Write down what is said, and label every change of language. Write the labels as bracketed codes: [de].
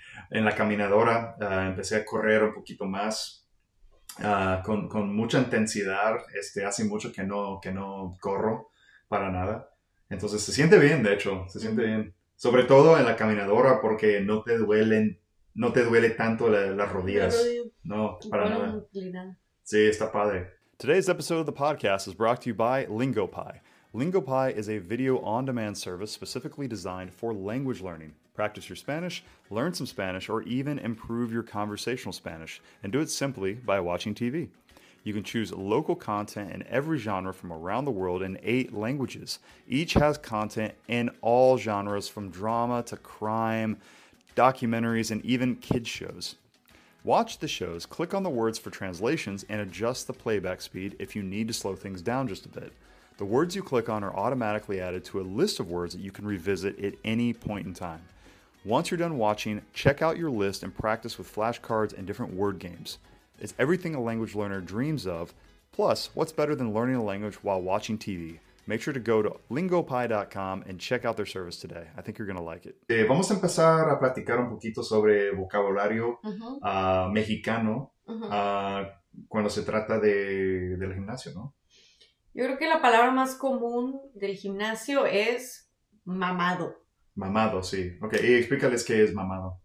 [es] En la caminadora empecé a correr un poquito más con mucha intensidad. Hace mucho que no corro para nada. Entonces se siente bien, de hecho, se siente bien. Sobre todo en la caminadora porque no te duele tanto las rodillas. No, para nada. Sí, está padre. [en] Today's episode of the podcast is brought to you by LingoPy. LingoPy is a video on-demand service specifically designed for language learning. Practice your Spanish, learn some Spanish, or even improve your conversational Spanish, and do it simply by watching TV. You can choose local content in every genre from around the world in 8 languages. Each has content in all genres, from drama to crime, documentaries, and even kids' shows. Watch the shows, click on the words for translations, and adjust the playback speed if you need to slow things down just a bit. The words you click on are automatically added to a list of words that you can revisit at any point in time. Once you're done watching, check out your list and practice with flashcards and different word games. It's everything a language learner dreams of. Plus, what's better than learning a language while watching TV? Make sure to go to lingopy.com and check out their service today. I think you're going to like it. [es] Vamos a empezar a platicar un poquito sobre vocabulario mexicano cuando se trata del gimnasio, ¿no? Yo creo que la palabra más común del gimnasio es mamado. Mamado, sí. Ok, y explícales qué es mamado.